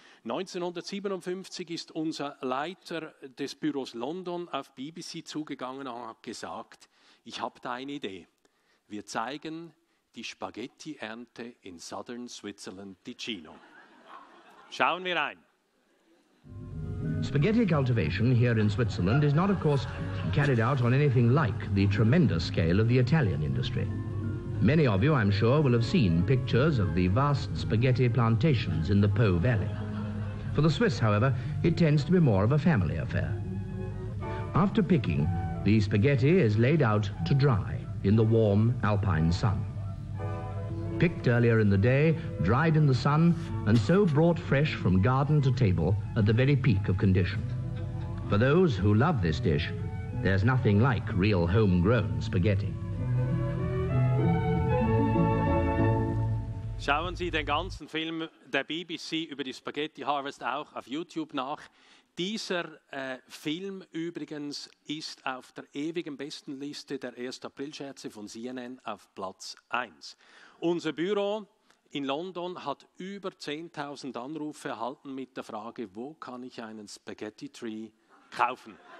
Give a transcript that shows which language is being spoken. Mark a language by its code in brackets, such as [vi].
[de] 1957 ist unser Leiter des Büros London auf BBC zugegangen und hat gesagt, ich habe da eine Idee, wir zeigen die Spaghetti-Ernte in [en] Southern Switzerland [de] Ticino. Schauen wir rein. [en] Spaghetti cultivation here in Switzerland is not, of course, carried out on anything like the tremendous scale of the Italian industry. Many of you, I'm sure, will have seen pictures of the vast spaghetti plantations in the Po Valley. For the Swiss, however, it tends to be more of a family affair. After picking, the spaghetti is laid out to dry in the warm alpine sun. Picked earlier in the day, dried in the sun, and so brought fresh from garden to table at the very peak of condition. For those who love this dish, there's nothing like real homegrown spaghetti. [de] Schauen Sie den ganzen Film der BBC über die Spaghetti Harvest auch auf YouTube nach. Dieser Film übrigens ist auf der ewigen Bestenliste der 1. April-Scherze von CNN auf Platz 1. Unser Büro in London hat über 10.000 Anrufe erhalten mit der Frage, wo kann ich einen Spaghetti-Tree kaufen?